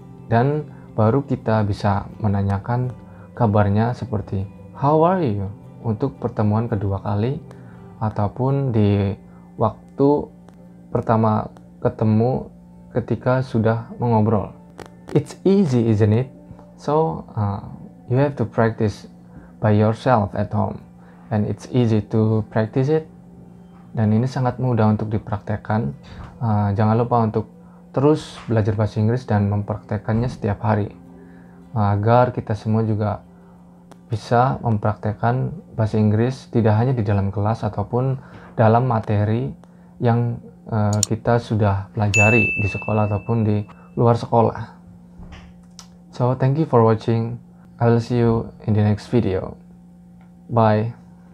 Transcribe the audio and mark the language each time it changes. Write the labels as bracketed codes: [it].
[id] Dan baru kita bisa menanyakan kabarnya seperti [en] how are you? [id] Untuk pertemuan kedua kali, ataupun di waktu pertama ketemu ketika sudah mengobrol. [en] It's easy, isn't it? So, you have to practice by yourself at home. And it's easy to practice it. [id] Dan ini sangat mudah untuk dipraktekkan. Jangan lupa untuk terus belajar bahasa Inggris dan mempraktekkannya setiap hari. Agar kita semua juga bisa mempraktekkan bahasa Inggris tidak hanya di dalam kelas ataupun dalam materi yang kita sudah pelajari di sekolah ataupun di luar sekolah. [en] So, thank you for watching. I'll see you in the next video. Bye.